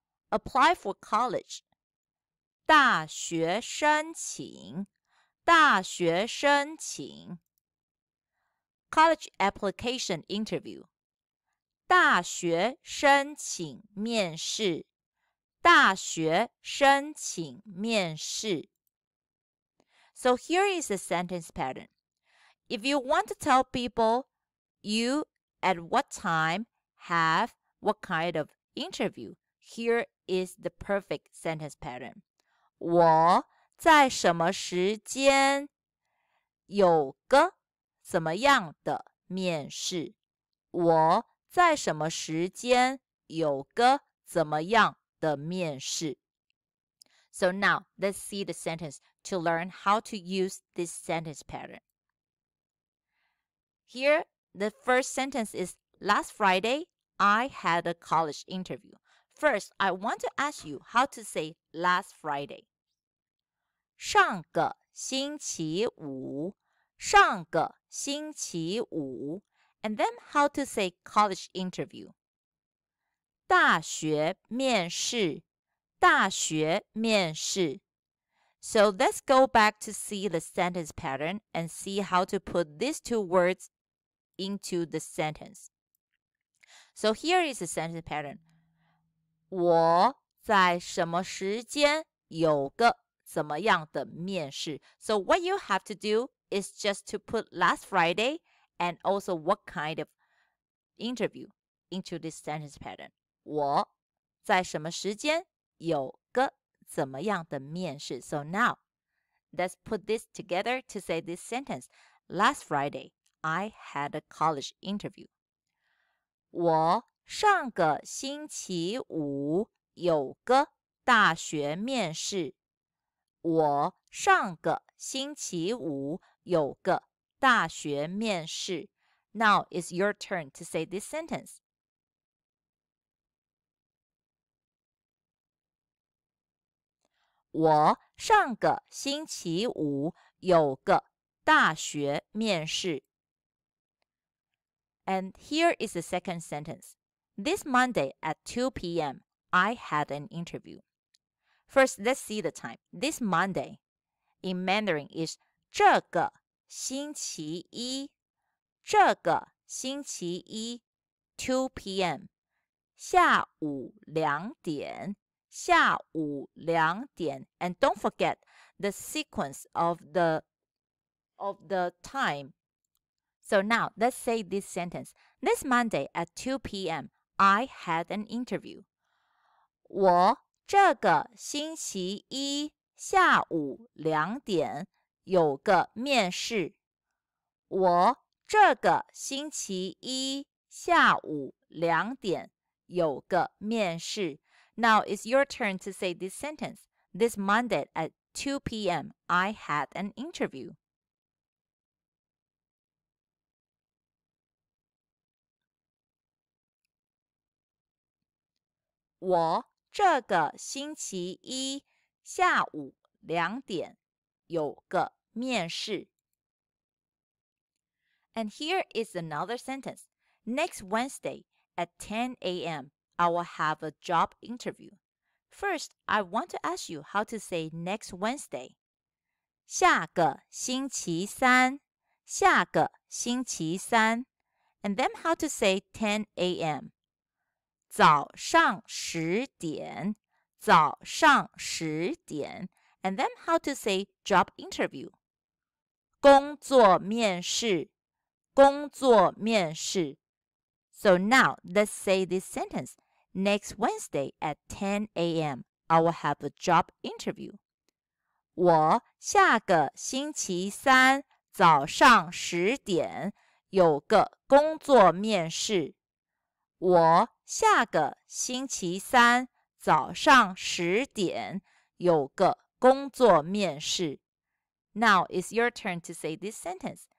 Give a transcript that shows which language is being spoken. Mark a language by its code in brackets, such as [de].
[en] Apply for college [zh] 大学申请大学申请 [en] College application interview [zh] 大学申请面试大学申请面试 [en] So here is the sentence pattern. If you want to tell people you at what time have what kind of interview, here is the perfect sentence pattern. [zh] 我在什么时间有个怎么样的面试？我在什么时间有个怎么样的面试？ [en] So now, let's see the sentence to learn how to use this sentence pattern. Here, the first sentence is, Last Friday, I had a college interview. First, I want to ask you how to say last Friday. [zh] 上个星期五上个星期五 [en] And then how to say college interview? [zh] 大学面试大学面试 [en] So let's go back to see the sentence pattern and see how to put these two words into the sentence. So here is the sentence pattern. [zh] 我在什么时间有个怎么样的面试? [en] So what you have to do is just to put last Friday and also what kind of interview into this sentence pattern. [zh] 我在什么时间有个怎么样的面试? [en] So now, let's put this together to say this sentence. Last Friday, I had a college interview. [zh] 我上个星期五有个大学面试。我上个星期五有个大学面试。 [en] Now it's your turn to say this sentence. [zh] 我上个星期五有个大学面试。 [en] And here is the second sentence. This Monday at 2 p.m., I had an interview. First, let's see the time. This Monday in Mandarin is [zh] 这个星期一这个星期一 [en] 2 p.m. [zh] 下午两点下午两点 [en] And don't forget the sequence of the time. So now, let's say this sentence. This Monday at 2 p.m., I had an interview. [zh] 我这个星期一下午两点有个面试。我这个星期一下午两点有个面试。 [en] Now it's your turn to say this sentence. This Monday at 2 p.m., I had an interview. [zh] 我这个星期一下午两点有个面试。 [en] And here is another sentence. Next Wednesday at 10 a.m., I will have a job interview. First, I want to ask you how to say next Wednesday. [zh] 下个星期三下个星期三 [en] And then how to say 10 a.m. [zh] 早上十点早上十点 [en] And then how to say job interview? [zh] 工作面试工作面试 [en] So now, let's say this sentence. Next Wednesday at 10 a.m., I will have a job interview. [zh] 我下个星期三早上十点有个工作面试。我下个星期三早上十点有个工作面试。 [en] Now it's your turn to say this sentence.